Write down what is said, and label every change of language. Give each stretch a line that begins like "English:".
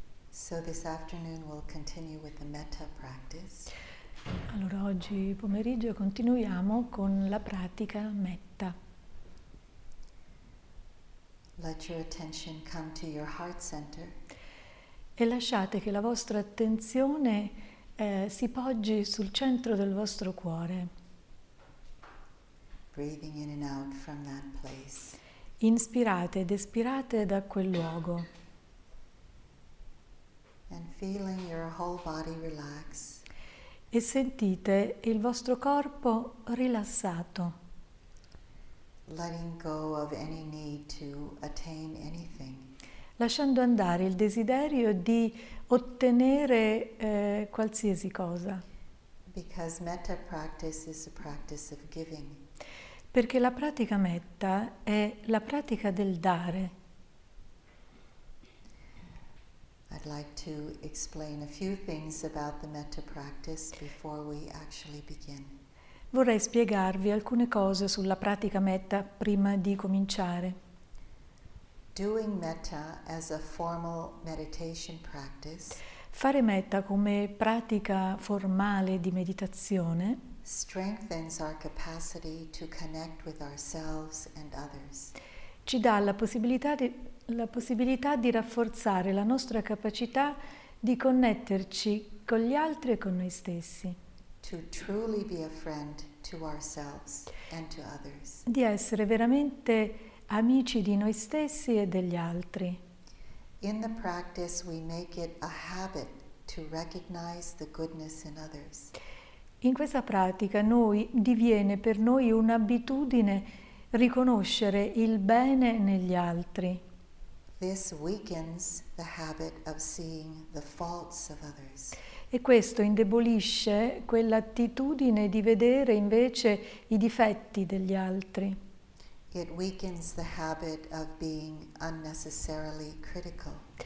English: So this afternoon we'll continue with the metta practice.
Italian: Allora oggi pomeriggio continuiamo con la pratica metta.
English: Let your attention come to your heart center.
Italian: E lasciate che la vostra attenzione si poggi sul centro del vostro cuore.
English: Breathing in and out from that place.
Italian: Inspirate ed espirate da quel luogo.
English: And feeling your whole body relax.
Italian: E sentite il vostro corpo rilassato.
English: Letting go of any need to attain anything.
Italian: Lasciando andare il desiderio di ottenere qualsiasi cosa.
English: Because metta practice is a practice of giving.
Italian: Perché la pratica metta è la pratica del dare.
English: I'd like to explain a few things about the metta practice before we actually begin.
Italian: Vorrei spiegarvi alcune cose sulla pratica metta prima di cominciare.
English: Doing metta as a formal meditation practice.
Italian: Fare metta come pratica formale di meditazione.
English: Strengthens our capacity to connect with ourselves and others.
Italian: Ci dà la possibilità di rafforzare la nostra capacità di connetterci con gli altri e con noi stessi.
English: To truly be a friend to ourselves and to others.
Italian: Di essere veramente amici di noi stessi e degli altri.
English: In the practice we make it a habit to recognize the goodness in others.
Italian: In questa pratica noi diviene per noi un'abitudine riconoscere il bene negli altri.
English: This weakens the habit of seeing the faults of others.
Italian: E questo indebolisce quell'attitudine di vedere invece i difetti degli altri.
English: It weakens the habit of being unnecessarily critical.